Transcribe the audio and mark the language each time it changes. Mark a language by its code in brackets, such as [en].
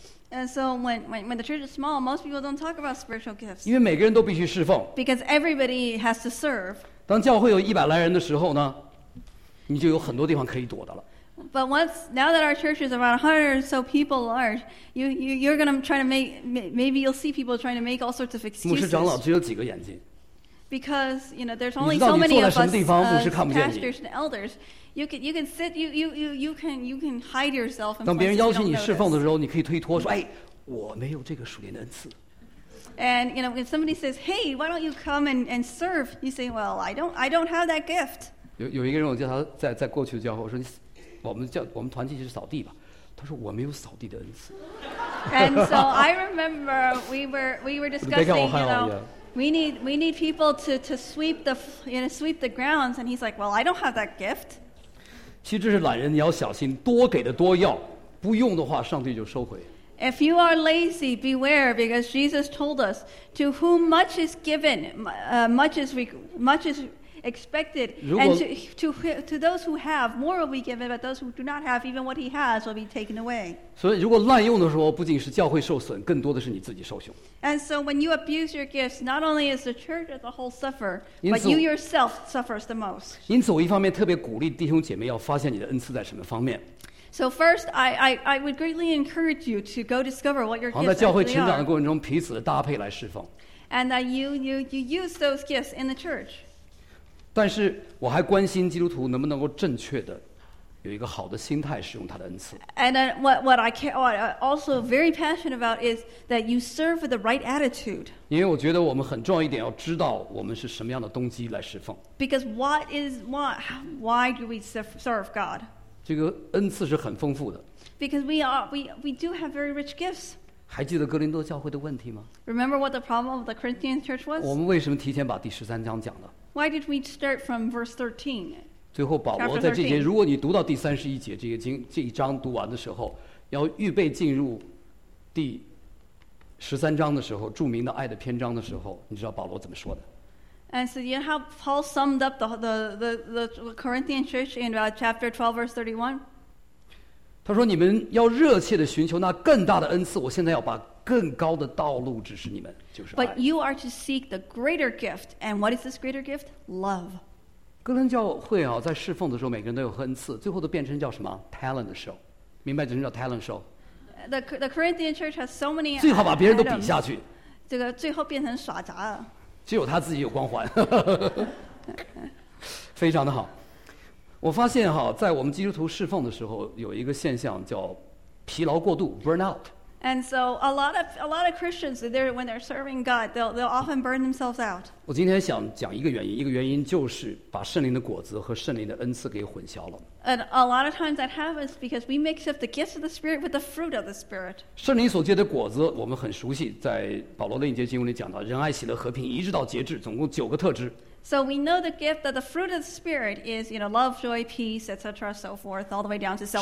[en] And so when the church is small, most people don't talk about spiritual gifts. [zh] 因为每个人都必须侍奉。 [en] Because everybody has to serve. [zh] 当教会有一百来人的时候呢，你就有很多地方可以躲的了。 [en] But now that our church is around 100 or so people large, you're going to try to make maybe you'll see people trying to make all sorts of excuses. [zh] 牧师长老只有几个眼睛。 [en] Because you know there's only so many of us pastors and elders. You can sit you can hide yourself. [zh] 当别人邀请你侍奉的时候，你可以推脱说：“哎，我没有这个属灵的恩赐。” [en] And you know when somebody says, "Hey, why don't you come and serve?" You say, "Well, I don't have that gift." [zh] 有一个人，我叫他在过去的教会，我说：“我们团契是扫地吧？” 他说：“我没有扫地的恩赐。” [en] And so I remember we were discussing, you know. We need people to sweep the you know sweep the grounds, and he's like, well, I don't have that gift. [zh] 其实这是懒人，你要小心，多给的多要，不用的话，上帝就收回。 [en] If you are lazy, beware, because Jesus told us, to whom much is given, much is expected, and to those who have more will be given, but those who do not have even what he has will be taken away. [zh] 所以，如果滥用的时候，不仅是教会受损，更多的是你自己受羞。 [en] And so, when you abuse your gifts, not only is the church as a whole suffer, but you yourself suffers the most. [zh] 因此，我一方面特别鼓励弟兄姐妹要发现你的恩赐在什么方面。 [en] So first, I would greatly encourage you to go discover what your gifts are. [zh] 在教会成长的过程中，彼此的搭配来侍奉。 [en] And that you use those gifts in the church. [zh] 但是我还关心基督徒能不能够正确的有一个好的心态使用他的恩赐。 [en] And then what I'm also very passionate about is that you serve with the right attitude. [zh] 因为我觉得我们很重要一点要知道我们是什么样的动机来侍奉。 [en] Because why do we serve God? [zh] 这个恩赐是很丰富的。 [en] Because we do have very rich gifts. [zh] 还记得哥林多教会的问题吗 [en] ？Remember what the problem of the Corinthian church was？ [zh] 我们为什么提前把第十三章讲了 [en] ？Why did we start from verse 13？ [zh] 最后保罗在这节，如果你读到第三十一节这一章读完的时候，要预备进入第十三章的时候，著名的爱的篇章的时候，你知道保罗怎么说的 [en] ？And so you know how Paul summed up the Corinthian church in about chapter 12, verse 31？ [zh] 他说：“你们要热切地寻求那更大的恩赐。我现在要把更高的道路指示你们，就是爱。” [en] But you are to seek the greater gift, and what is this greater gift? Love. [zh] 哥林教会啊，在侍奉的时候，每个人都有恩赐，最后都变成叫什么 talent show， 明白？就是叫 talent show。 [en] The Corinthian church has so many. [zh] 最好把别人都比下去。这个最后变成耍杂了。只有他自己有光环，非常的好。我发现哈，在我们基督徒侍奉的时候，有一个现象叫疲劳过度 （burnout）。 [en] And so a lot of Christians when they're serving God, they'll often burn themselves out. [zh] 我今天想讲一个原因，一个原因就是把圣灵的果子和圣灵的恩赐给混淆了。 [en] And a lot of times that happens because we mix up the gifts of the Spirit with the fruit of the Spirit. [zh] 圣灵所结的果子，我们很熟悉，在保罗的另一节经文里讲到，仁爱、喜乐、和平，一直到节制，总共九个特质。 [en] So we know the gift that the fruit of the Spirit is, you know, love, joy, peace, etc., so forth, all the way down to self-control.